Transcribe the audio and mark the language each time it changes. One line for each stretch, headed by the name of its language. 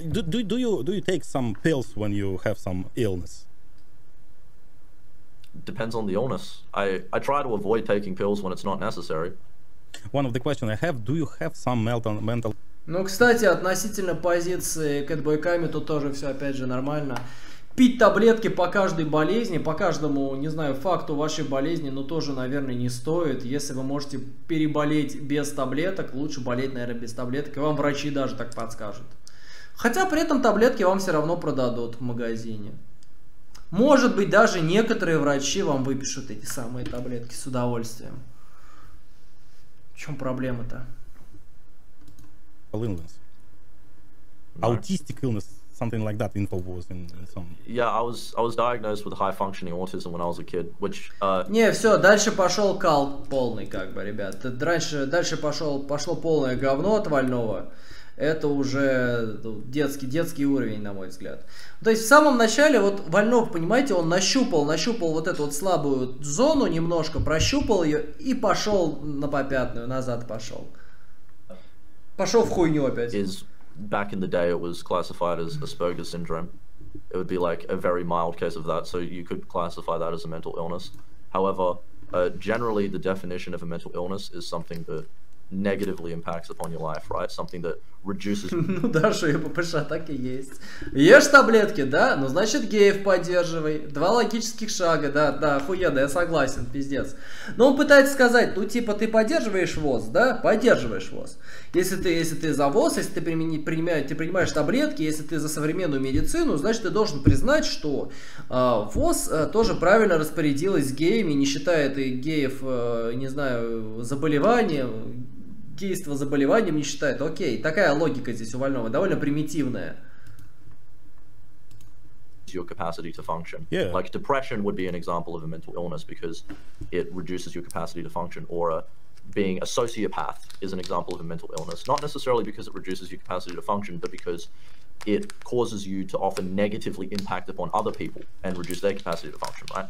English: Do you take some pills when you have some illness? Depends on the illness. I try to avoid taking pills when it's not necessary. One of the questions I have, do you have some mental...
Russian: Ну, кстати, относительно позиции Кэтбой Ками, тут тоже все, опять же, нормально. Пить таблетки по каждой болезни, по каждому, не знаю, факту вашей болезни, ну, тоже, наверное, не стоит. Если вы можете переболеть без таблеток, лучше болеть, наверное, без таблеток. И вам врачи даже так подскажут. Хотя при этом таблетки вам все равно продадут в магазине. Может быть, даже некоторые врачи вам выпишут эти самые таблетки с удовольствием. В чем проблема-то?
English: Illness. Autistic illness, something like that info was in some... Yeah, I was diagnosed with high functioning autism when I was a kid, which...
Russian: Не, все, дальше пошел кал полный, как бы, ребят. Дальше пошло полное говно от Вального. Это уже детский уровень, на мой взгляд. То есть в самом начале вот Вальнов, понимаете, он нащупал вот эту вот слабую зону немножко, прощупал ее и пошел на попятную, назад пошел. Пошел в хуйню опять.
English: Is back in the day it was classified as Asperger's syndrome. It would be like a very mild case of that, so you could classify that as a mental illness. However, generally the definition of a mental illness is something that negatively impacts upon your life, right? Something that reduces...
Russian: Ну да, что я попрошу, так и есть. Ешь таблетки, да? Ну значит, геев поддерживай. Два логических шага, да, да, охуенно, я согласен, пиздец. Но он пытается сказать, ну типа, ты поддерживаешь ВОЗ, да? Поддерживаешь ВОЗ. Если ты за ВОЗ, если ты принимаешь таблетки, если ты за современную медицину, значит, ты должен признать, что ВОЗ тоже правильно распорядилась геями, не считает и геев, не знаю, заболеванием, гейство заболеванием не считает. Окей, такая логика здесь у Вального, довольно примитивная.
English: Your capacity to function. Yeah. Like depression would be an example of a mental illness because it reduces your capacity to function. Or being a sociopath is an example of a mental illness. Not necessarily because it reduces your capacity to function, but because it causes you to often negatively impact upon other people and reduce their capacity to function, right?